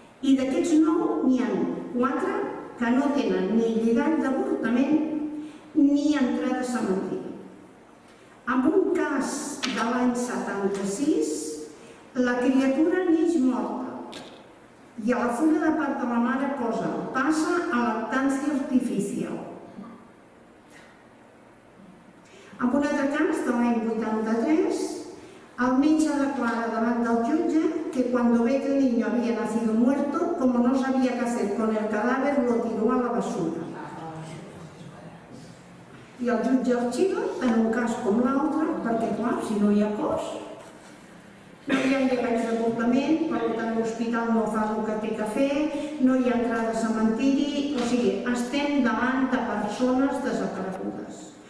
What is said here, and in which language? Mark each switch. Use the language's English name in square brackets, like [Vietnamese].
[Catalan] I d'aquests 9 n'hi ha 4 que no tenen ni lligat d'avortament ni entrada a cementiri. En un cas de l'any 76, la criatura neix morta i a la fulla de part de la mare posa passa a lactància artificial. En un altre cas de l'any 83, el metge declara davant del jutge que [Spanish] cuando este niño había nacido muerto, como no sabía qué hacer con el cadáver, lo tiró a la basura. [Catalan] I el jutge arxiva, en un cas com l'altre, perquè clar, si no hi ha cos, no hi ha llegats d'avortament, per tant l'hospital no fa el que té que fer, no hi ha entrada a cementiri, o sigui, estem davant de persones desaparegudes.